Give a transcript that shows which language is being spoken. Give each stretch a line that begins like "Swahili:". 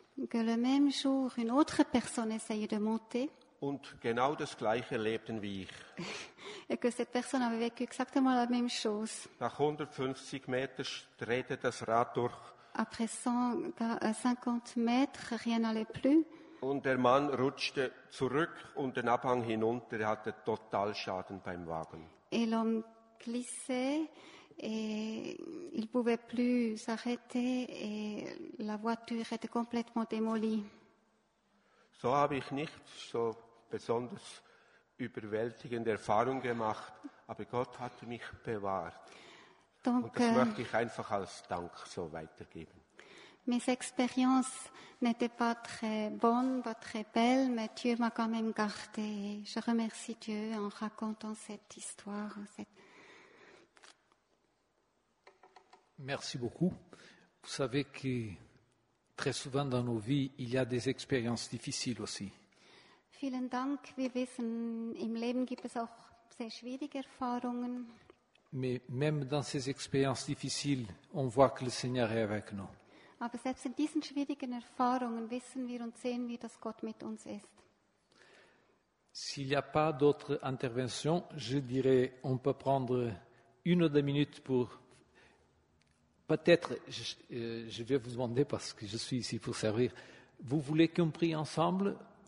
French: Que le même jour, une autre personne essayait de monter.
German: Und genau das gleiche lebten wie ich.
French: Et que cette personne avait vécu exactement la même chose.
German: Nach 150 Metern drehte das Rad durch.
French: Après 150 mètres, rien n'allait plus.
German: Und der Mann rutschte zurück und den Abhang hinunter. Er hatte total Schaden beim Wagen.
French: Et l'homme glissait et il pouvait plus s'arrêter et la voiture était complètement démolie.
German: So habe ich nicht so besonders überwältigende Erfahrung gemacht, aber Gott hat mich bewahrt.
French: Donc,
German: und das möchte ich einfach als Dank so weitergeben.
French: Mes expériences n'étaient pas très bonnes, pas très belles, mais Dieu m'a quand même gardé. Je remercie Dieu en racontant cette histoire. Merci beaucoup. Vous savez que très souvent dans nos vies, il y a des expériences difficiles aussi.
German: Vielen Dank. Wir wissen, im Leben gibt es auch sehr schwierige Erfahrungen.
French: Mais même dans ces expériences difficiles, on voit que le Seigneur est avec nous.
German: Aber selbst in diesen schwierigen Erfahrungen wissen wir und sehen wir, dass Gott mit uns ist.
French: S'il n'y a pas d'autres interventions, je dirais, on peut prendre une ou deux minutes pour... Peut-être, je vais vous demander, parce que je suis ici pour servir, vous voulez qu'on prie ensemble?